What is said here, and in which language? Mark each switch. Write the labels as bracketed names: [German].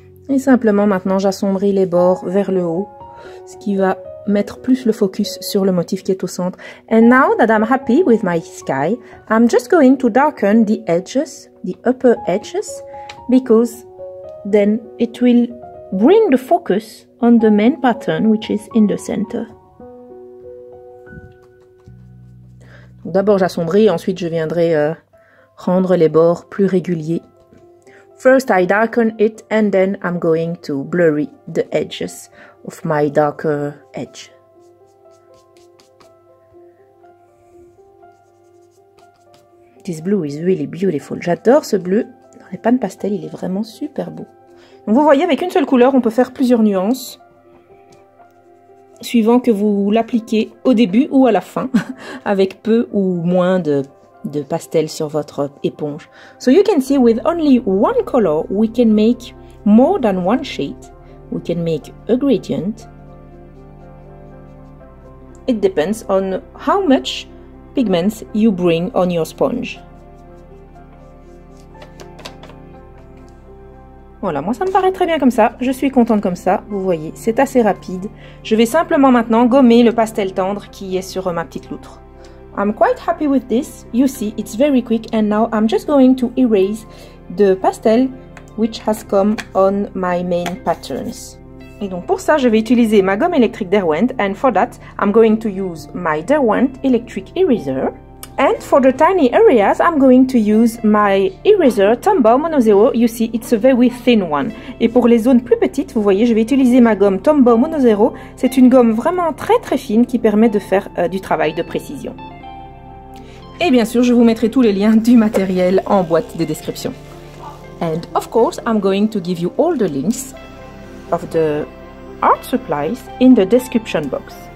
[French] Et simplement maintenant j'assombris les bords vers le haut, ce qui va mettre plus le focus sur le motif qui est au centre. [English] And now that I'm happy with my sky, I'm just going to darken the edges, the upper edges, because then it will bring the focus on the main pattern, which is in the center. [French] D'abord, j'assombris, ensuite je viendrai rendre les bords plus réguliers. [English] First, I darken it and then I'm going to blurry the edges of my darker edge. This blue is really beautiful. [French] J'adore ce bleu. Dans les pannes pastel, il est vraiment super beau. Donc vous voyez, avec une seule couleur, on peut faire plusieurs nuances, suivant que vous l'appliquez au début ou à la fin, avec peu ou moins de pastel sur votre éponge. [English] So you can see, with only one color, we can make more than one shade. We can make a gradient. It depends on how much pigments you bring on your sponge. [French] Voilà, moi ça me paraît très bien comme ça. Je suis contente comme ça. Vous voyez, c'est assez rapide. Je vais simplement maintenant gommer le pastel tendre qui est sur ma petite loutre. [English] I'm quite happy with this. You see, it's very quick. And now I'm just going to erase the pastel which has come on my main patterns. [French] Et donc pour ça, je vais utiliser ma gomme électrique Derwent. [English] And for that, I'm going to use my Derwent electric eraser. And for the tiny areas, I'm going to use my eraser Tombow Mono Zero. You see, it's a very thin one. [French] Et pour les zones plus petites, vous voyez, je vais utiliser ma gomme Tombow Mono Zero. C'est une gomme vraiment très très fine qui permet de faire du travail de précision. Et bien sûr, je vous mettrai tous les liens du matériel en boîte de description. [English] And of course, I'm going to give you all the links of the art supplies in the description box.